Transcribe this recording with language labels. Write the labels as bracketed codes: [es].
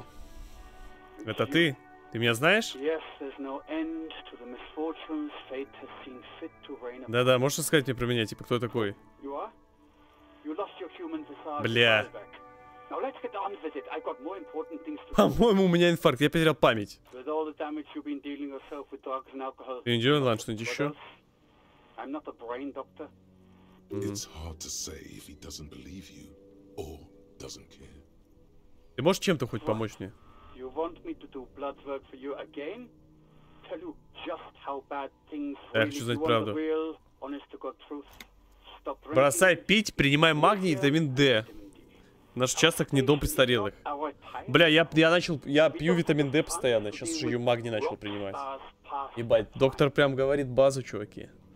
[ru] Oh. Это ты? Ты меня знаешь? [en] Yes, there's no end to the misfortunes fate has seen fit to rain upon. [ru] Да-да, можешь сказать мне про меня, типа, кто такой? [en] You are? You lost your human facade. [ru] Бля. [en] Now let's get on with it. I've got more important things to do. [ru] По-моему, у меня инфаркт, я потерял память. [en] With all the damage you've been dealing yourself with drugs and alcohol. [ru] Ты не делал что-нибудь еще? [en] I'm not a brain doctor. It's hard to say if he doesn't believe you or doesn't care. Ты можешь чем-то хоть помочь мне? You want me to do blood work for you again? Tell you just how bad things really are. The real, honest to God truth. Stop drinking. [ru] Бросай пить, принимай магний и витамин D. Наш участок не дом престарелых. Бля, я пью витамин D постоянно. Сейчас уже ее магний начал принимать. Ебать, доктор прям говорит базу, чуваки.